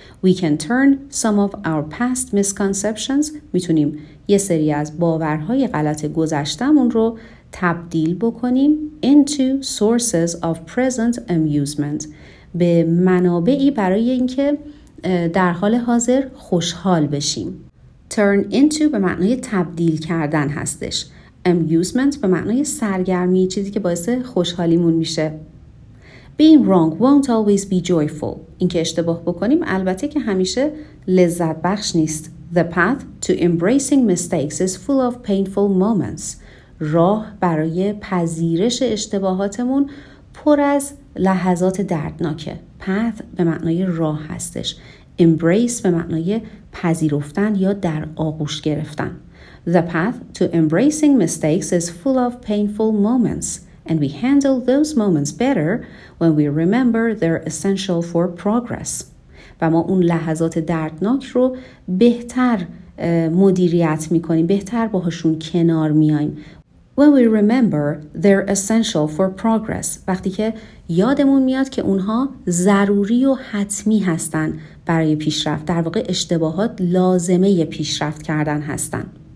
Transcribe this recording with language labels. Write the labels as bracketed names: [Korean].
[English] We can turn some of our past misconceptions, [Persian] میتونیم یه سری از باورهای غلط گذشتمون رو تبدیل بکنیم, [English] into sources of present amusement, [Persian] به منابعی برای اینکه در حال حاضر خوشحال بشیم. Turn into به معنی تبدیل کردن هستش. Amusement به معنی سرگرمی, چیزی که باعث خوشحالیمون میشه. [English] Being wrong won't always be joyful. [Persian] این که اشتباه بکنیم البته که همیشه لذت بخش نیست. [English] The path to embracing mistakes is full of painful moments. [Persian] راه برای پذیرش اشتباهاتمون پر از لحظات دردناکه. Path به معنای راه هستش. Embrace به معنای پذیرفتن یا در آغوش گرفتن. [English] The path to embracing mistakes is full of painful moments. And we handle those moments better when we remember they're essential for progress. [Persian] و ما اون لحظات دردناک رو بهتر مدیریت میکنیم, بهتر باهاشون کنار میایم. [English] When we remember they're essential for progress. [Persian] وقتی که یادمون میاد که اونها ضروری و حتمی هستن برای پیشرفت, در واقع اشتباهات لازمه پیشرفت کردن هستن.